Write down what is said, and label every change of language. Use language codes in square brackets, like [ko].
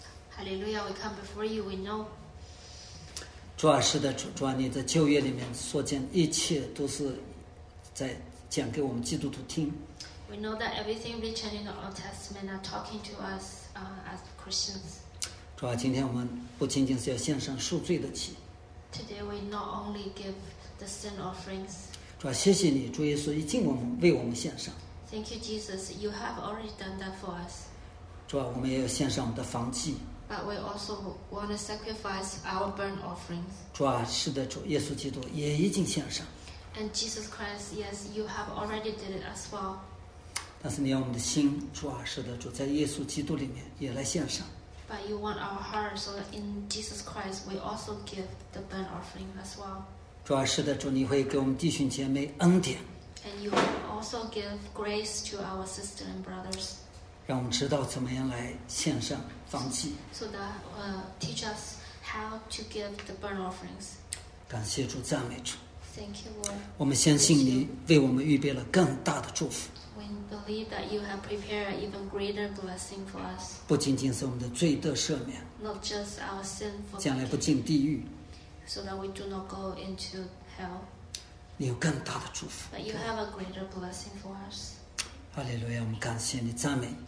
[en] 哈利路亚 ，We come before you. We know. [zh] 主啊，是的，主啊，你在旧约里面所讲一切都是在讲给我们基督徒听。 [en] We know that everything written in the Old Testament are talking to us as Christians. [zh] 主啊，今天我们不仅仅是要献上赎罪的祭。 [en] Today we not only give the sin offerings. [zh] 主啊，谢谢你，主耶稣已经为我们献上。 [en] Thank you, Jesus. You have already done that for us. [zh] 主啊，我们也要献上我们的燔祭。 [en] But we also want to sacrifice our burnt offerings. [zh] 主啊，是的，主耶稣基督也已经献上。 [en] And Jesus Christ, yes, you have already did it as well. [zh] 但是你要我们的心，主啊，使得主在耶稣基督里面也来献上。 [en] But you want our heart, so in Jesus Christ, we also give the burnt offering as well. [zh] 主啊，使得主你会给我们弟兄姐妹恩典。 [en] And you will also give grace to our sisters and brothers. [zh] 让我们知道怎么样来献上燔祭。 [en] So that teach us how to give the burnt offerings. [zh] 感谢主，赞美主。 [en] Thank you, Lord. [zh] 我们相信你为我们预备了更大的祝福。 [en] Believe that you have prepared an even greater blessing for us. [zh] 不仅仅是我们的罪得赦免。 [en] Not just our sin. [zh] 将来不进地狱。 [en] So that we do not go into hell. [zh] 你有更大的祝福。 [en] But you have a greater blessing for us. [zh] 哈利路亚，我们感谢你，赞美。